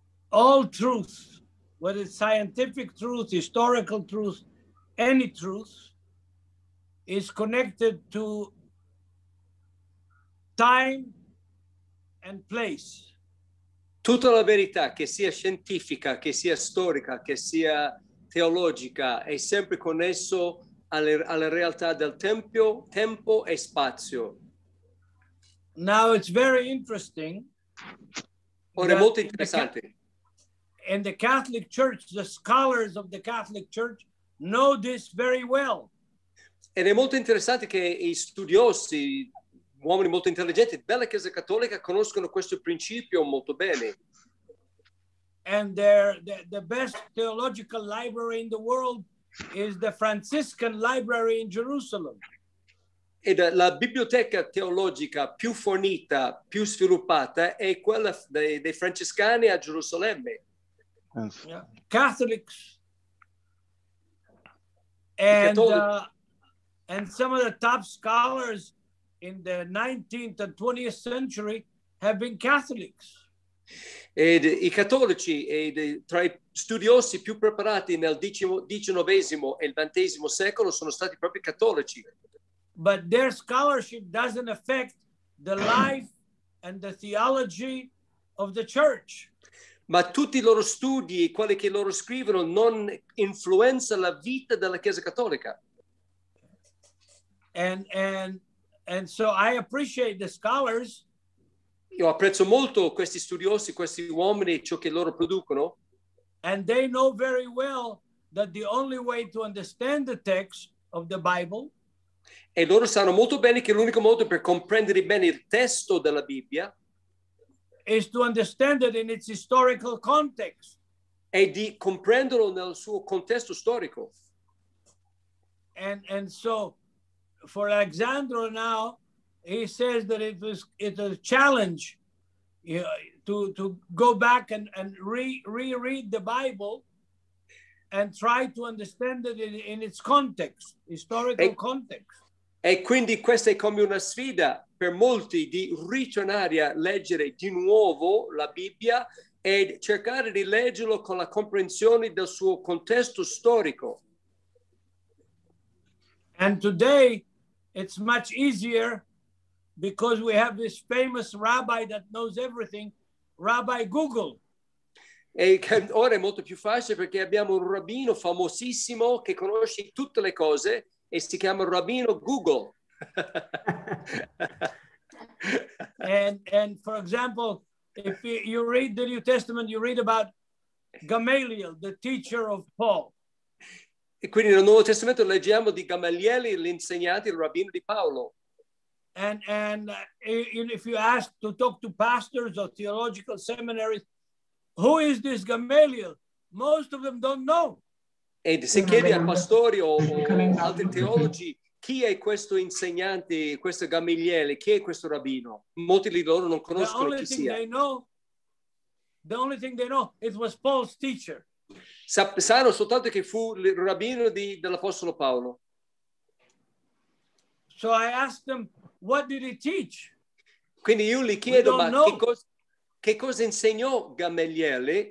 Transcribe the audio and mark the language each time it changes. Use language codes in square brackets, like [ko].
[en] All truth, whether it's scientific truth, historical truth, any truth, is connected to time and place. [it] Tutta la verità, che sia scientifica, che sia storica, che sia teologica, è sempre connesso alla realtà del tempio, tempo e spazio. [en] Now it's very interesting. [it] Ora è molto interessante. [en] And the Catholic Church, the scholars of the Catholic Church know this very well. [it] Ed è molto interessante che i studiosi, uomini molto intelligenti della Chiesa Cattolica, conoscono questo principio molto bene. [en] And the best theological library in the world is the Franciscan Library in Jerusalem. [it] Ed la biblioteca teologica più fornita, più sviluppata, è quella dei francescani a Gerusalemme. [en] Catholics and some of the top scholars in the 19th and 20th century have been Catholics. [it] Ed i cattolici tra i studiosi più preparati nel XIX e il XX secolo sono stati proprio cattolici. [en] But their scholarship doesn't affect the life and the theology of the church. [it] Ma tutti i loro studi, quelli che loro scrivono, non influenza la vita della Chiesa Cattolica. [en] And so I appreciate the scholars. [it] Io apprezzo molto questi studiosi, questi uomini, ciò che loro producono. [en] And they know very well that the only way to understand the text of the Bible. [it] E loro sanno molto bene che l'unico modo per comprendere bene il testo della Bibbia [en] is to understand it in its historical context. [it] È di comprenderlo nel suo contesto storico. [en] And so, for Alexandro now, he says that it was a challenge, you know, to go back and reread the Bible and try to understand it in its context, historical context. [it] E quindi questa è come una sfida per molti di ritornare a leggere di nuovo la Bibbia e cercare di leggerlo con la comprensione del suo contesto storico. [en] And today it's much easier because we have this famous rabbi that knows everything, Rabbi Google. [it] E ora è molto più facile perché abbiamo un rabbino famosissimo che conosce tutte le cose e si chiama Rabbino Google. [en] and for example, if you read the New Testament, you read about Gamaliel, the teacher of Paul. [it] E quindi nel Nuovo Testamento leggiamo di Gamaliel, l'insegnante, il rabbino di Paolo. [en] And if you ask to talk to pastors or theological seminaries, who is this Gamaliel? Most of them don't know. [it] E se chiedi al pastore o altri teologi chi è questo insegnante, questo Gamaliel, chi è questo rabbino, molti di loro non conoscono chi sia. [en] The only thing they know, it was Paul's teacher. [it] Sanno soltanto che fu il rabbino dell'apostolo Paolo. [en] So I asked them, what did he teach? [it] Quindi io gli chiedo, ma che cosa insegnò Gamaliel?